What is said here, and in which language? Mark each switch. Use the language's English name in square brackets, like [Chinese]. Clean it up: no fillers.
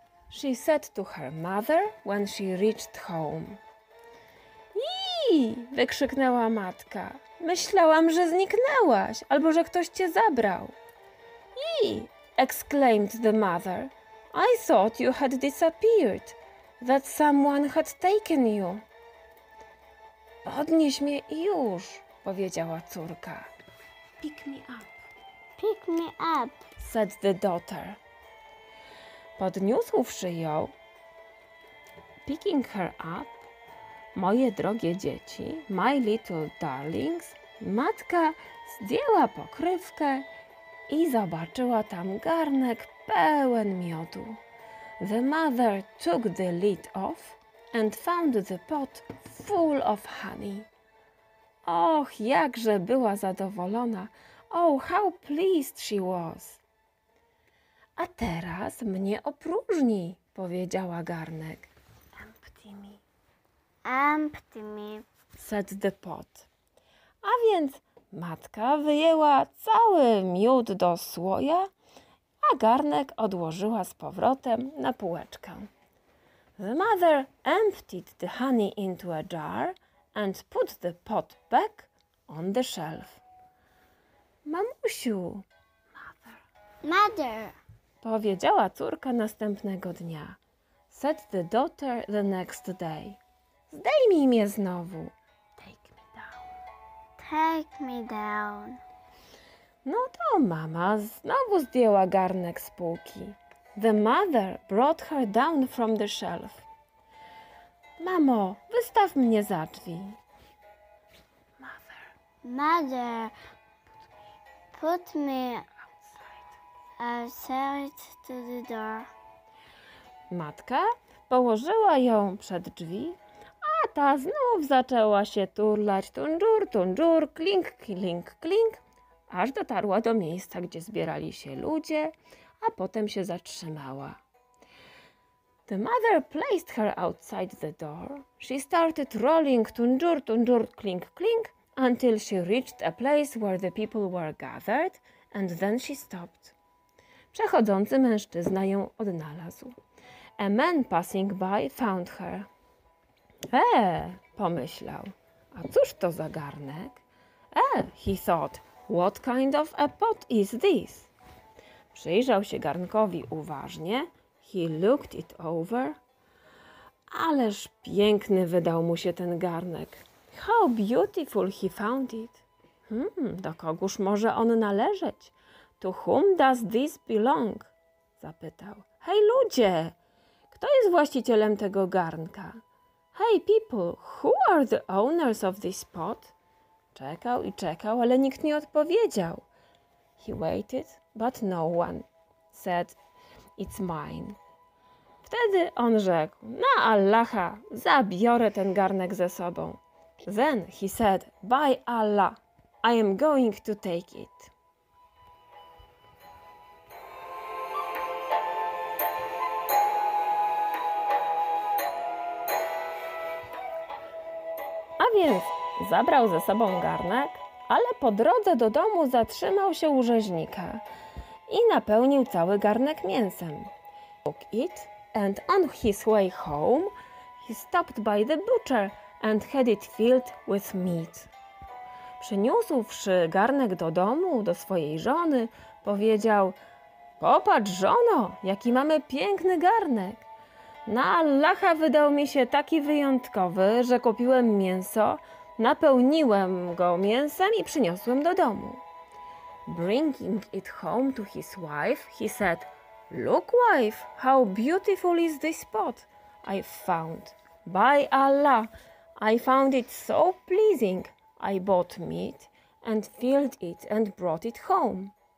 [English] She said to her mother when she reached home. [Polish] Iii! Wykrzyknęła matka. Myślałam, że zniknęłaś, albo że ktoś cię zabrał. [English] Iii! Exclaimed the mother. I thought you had disappeared. That someone had taken you. [Polish] Podnieś mnie już, powiedziała córka. [English] Pick me up. Pick me up, said the daughter. [Polish] Podniósłszy ją, [English] picking her up, [Polish] moje drogie dzieci, [English] my little darlings, [Polish] matka zdjęła pokrywkę i zobaczyła tam garnek pełen miodu. [English] The mother took the lid off and found the pot full of honey. [Polish] Och, jakże była zadowolona. [English] Oh, how pleased she was. [Polish] A teraz mnie opróżnij, powiedziała garnek. [English] Empty me. Empty me, said the pot. [Polish] A więc matka wyjęła cały miód do słoja, a garnek odłożyła z powrotem na półeczkę. [English] The mother emptied the honey into a jar and put the pot back on the shelf. [Polish] Mamusiu! [English] Mother! Mother! [Polish] Powiedziała córka następnego dnia. [English] Said the daughter the next day. [Polish] Zdejmij mnie znowu. [English] Take me down. Take me down. [Polish] No to mama znowu zdjęła garnek z półki. [English] The mother brought her down from the shelf. [Polish] Mamo, wystaw mnie za drzwi. [English] Mother. Mother. Put me outside to the door. [Polish] Matka położyła ją przed drzwi, a ta znów zaczęła się turlać. Tundżur, tundżur, klink, klink, klink. Aż dotarła do miejsca, gdzie zbierali się ludzie, a potem się zatrzymała. [English] The mother placed her outside the door. She started rolling tundur, tundur, klink, klink, until she reached a place where the people were gathered, and then she stopped. [Polish] Przechodzący mężczyzna ją odnalazł. [English] A man passing by found her. [Polish] Pomyślał. A cóż to za garnek? [English] He thought. What kind of a pot is this? [Polish] Przyjrzał się garnkowi uważnie. [English] He looked it over. [Polish] Ależ piękny wydał mu się ten garnek. [English] How beautiful he found it. [Polish] Do kogóż może on należeć? [English] To whom does this belong? [Polish] Zapytał. Hej ludzie, kto jest właścicielem tego garnka? [English] Hey people, who are the owners of this pot? [Polish] Czekał i czekał, ale nikt nie odpowiedział. [English] He waited, but no one said, it's mine. [Polish] Wtedy on rzekł, na Allaha, zabiorę ten garnek ze sobą. [English] Then he said, by Allah, I am going to take it. [Polish] więc zabrał ze sobą garnek, ale po drodze do domu zatrzymał się u rzeźnika i napełnił cały garnek mięsem. [English] Took it and on his way home, he stopped by the butcher and had it filled with meat. [Polish] Przyniósłszy garnek do domu, do swojej żony, powiedział: popatrz, żono, jaki mamy piękny garnek. Na Allaha wydał mi się taki wyjątkowy, że kupiłem mięso, napełniłem go mięsem i przyniosłem do domu. [English] Bringing it home to his wife, he said, look, wife, how beautiful is this pot I found. By Allah, I found it so pleasing. I bought meat and filled it and brought it home.